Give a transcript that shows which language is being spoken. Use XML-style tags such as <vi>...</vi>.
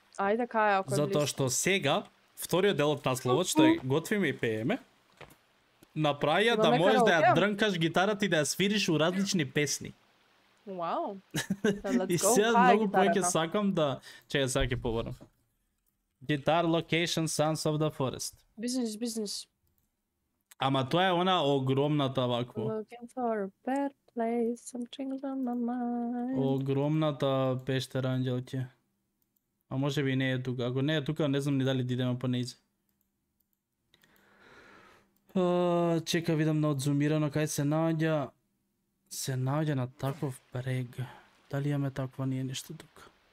<mk>Ајде, кај ако е близко. Затоа што сега, вториот дел од насловот, што готвиме и пееме, направи ја да можеш да ја дрнкаш гитарата и да ја свириш у различни песни.</mk> <en>Wow.</en> <mk>И се много повеќе сакам да чека сега ќе поборам.</mk> <en>Guitar location Sons of the Forest. Business, business.</en> <mk>Ама тоа е она огромната вакво.</mk> <en>Looking for a better place, something on my mind.</en> <mk>Огромната пештера ангелки. А може би не е тука. Ако не е тука, не знам ни дали дидеме по низ. Чека видам на одзумирано кај се наоѓа. Се наоѓа на таков брег. Дали имаме таква, ние нешто тука.</mk>